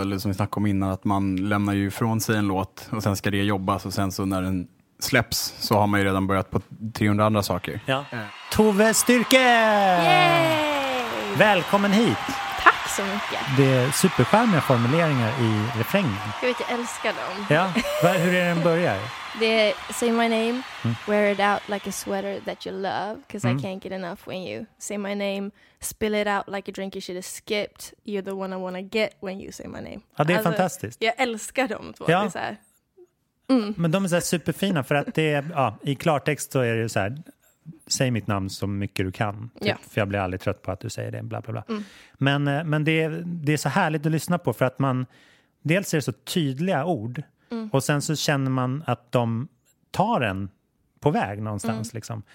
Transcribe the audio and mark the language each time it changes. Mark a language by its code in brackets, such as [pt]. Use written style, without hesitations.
[sv] Eller som vi snackade om innan, att man lämnar ju ifrån sig en låt och sen ska det jobbas och sen så när den släpps så har man ju redan börjat på 300 andra saker. Ja. Tove Styrke! Yay! Välkommen hit. Tack. Tack så mycket. Det är superskärmiga formuleringar i refrängen. Jag vet, jag älskar dem. Ja. Var, hur är den börjar? Det är [en] say my name, wear it out like a sweater that you love, because I can't get enough when you say my name, spill it out like a drink you should have skipped, you're the one I wanna get when you say my name. [sv] Ja, det är alltså, fantastiskt. Jag älskar dem två. Ja. Det är så här. Men de är så här superfina, för att det är, ja, i klartext så är det så här, säg mitt namn så mycket du kan, typ, ja. För jag blir aldrig trött på att du säger det, bla bla bla. Men det är så härligt att lyssna på, för att man dels är det så tydliga ord, och sen så känner man att de tar en på väg någonstans, liksom.